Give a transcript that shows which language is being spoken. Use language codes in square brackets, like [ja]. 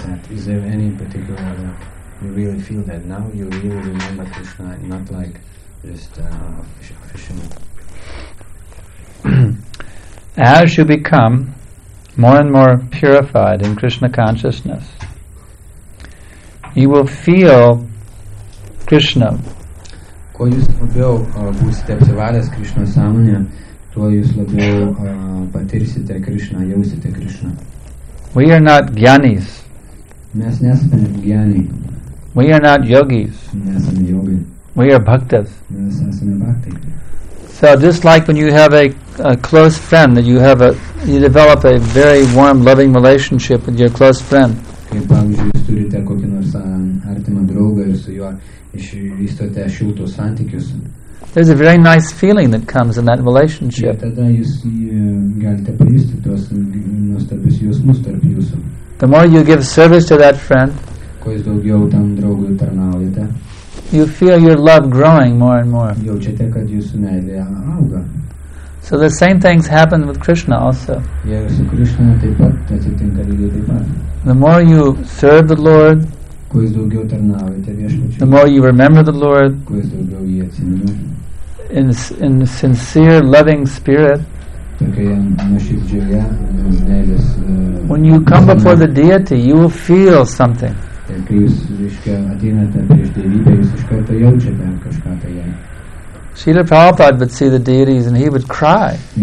[en] Is there any particular that you really feel that now you really remember Krishna, not like just officially? As you become more and more purified in Krishna consciousness, you will feel Krishna. [lt] Kuo jūs labiau būsite apsivalęs Krishna sąmonė, tuo jūs labiau patirsite Krishna, jausite Krishna. [en] We are not gyanis. [lt] Mes nesame gyani. [en] We are not yogis. [lt] Nesame yogi. [en] We are bhaktas. [lt] Mes esame bhakti. [en] So just like when you have a close friend, that you have you develop a very warm, loving relationship with your close friend. [lt] Kaip pavyzdžiui, jūs turite kokį nors artimą draugą ir su juo išvystote šiltus santykius. [en] There's a very nice feeling that comes in that relationship. [lt] Tada jūs galite pajusti tuos nuostabius jausmus tarp jūsų. [en] The more you give service to that friend, [lt] kuo jūs daugiau tam draugui tarnaujate, [en] you feel your love growing more and more. [lt] Jaučiate, kad jūsų meilė auga. [en] So the same things happen with Krishna also. [lt] Ir su Krishna taip pat atsitinka lygiai taip pat. [en] The more you serve the Lord, [lt] kuo jūs daugiau tarnaujate viešpačiui, [en] the more you remember the Lord, [lt] kuo jūs daugiau jį atsimenate, [en] in sincere loving spirit, [lt] tokioje nuoširdžioje meilės, [en] when you come before the deity, you will feel something. [lt] Ir kai jūs, reiškia, ateinate prieš dievybę, jūs iš karto jaučiate kažką tai jai. [en] Srila Prabhupada would see the deities and he would cry.